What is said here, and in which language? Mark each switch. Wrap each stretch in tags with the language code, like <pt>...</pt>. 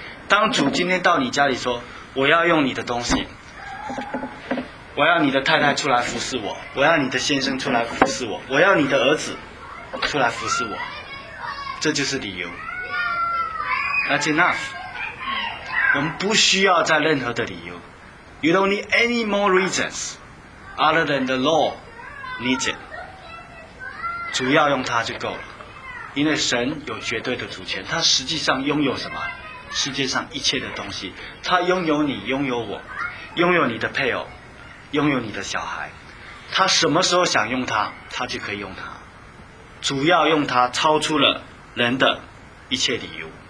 <zh>当主今天到你家里说，我要用你的东西，我要你的太太出来服侍我，我要你的先生出来服侍我，我要你的儿子出来服侍我，这就是理由。</zh> <en>That's enough，</en> <zh>我们不需要再任何的理由。</zh> <en>You don't need any more reasons other than the law needs it，</en> <zh>主要用它就够了。因为神有绝对的主权，他实际上拥有什么？世界上一切的东西，他拥有你，拥有我，拥有你的配偶，拥有你的小孩，他什么时候想用它，他就可以用它。主要用它超出了人的一切理由。</zh>